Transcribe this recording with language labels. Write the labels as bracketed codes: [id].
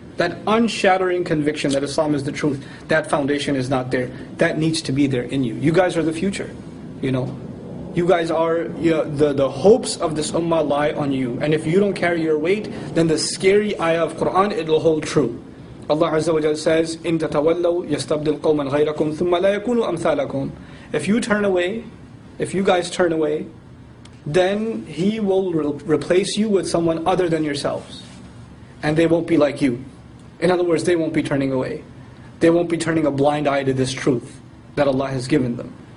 [en] That unshattering conviction that Islam is the truth. That foundation is not there. That needs to be there in you. You guys are the future, you know. You guys are, you know, the hopes of this ummah lie on you. And if you don't carry your weight, then the scary ayah of Quran, it'll hold true. Allah Azza wa Jalla says, [ar] إِن تَتَوَلَّوْا يَسْتَبْدِلْ قَوْمًا غَيْرَكُمْ ثُمَّ لَا يَكُونُوا أَمْثَالَكُمْ. [en] If you turn away, if you guys turn away, then He will replace you with someone other than yourselves. And they won't be like you. In other words, they won't be turning away. They won't be turning a blind eye to this truth that Allah has given them.